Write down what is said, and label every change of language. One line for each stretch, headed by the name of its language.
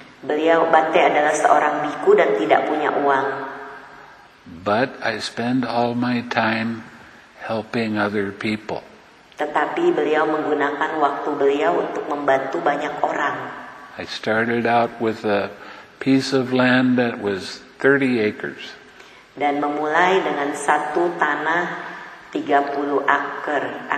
Indonesian: Beliau Bante adalah seorang biku dan tidak punya uang.
English: But I spend all my time helping other people.
Indonesian: Tetapi beliau menggunakan waktu beliau untuk membantu banyak orang.
English: I started out with a piece of land that was 30 acres.
Indonesian: Dan memulai dengan satu tanah 30 acre.